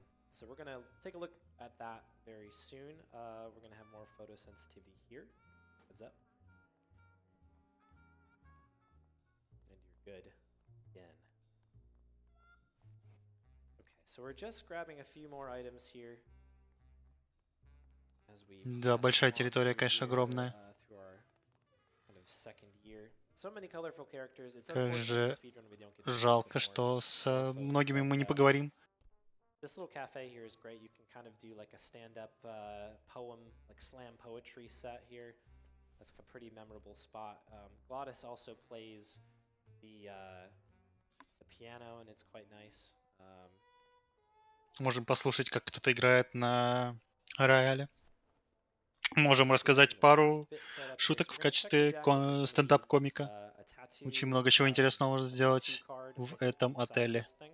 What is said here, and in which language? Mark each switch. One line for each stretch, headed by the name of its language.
English: So we're going to take a look at that very soon. We're going to have more photosensitivity here. Heads up. And you're good again. Okay, so we're just grabbing a few more items here. As we
Russian: да, большая территория, конечно, огромная.
English: Through our kind of second year. So many colorful characters. It's
Russian: как же жалко, что с многими мы не поговорим.
English: This little cafe here is great. You can kind of do like a stand-up poem, like slam poetry set here. That's a pretty memorable spot. Gladys also plays the piano, and it's quite nice.
Russian: Можем послушать, как кто-то играет на рояле. Можем рассказать пару шуток в качестве стендап-комика. Очень много чего интересного можно сделать в этом отеле.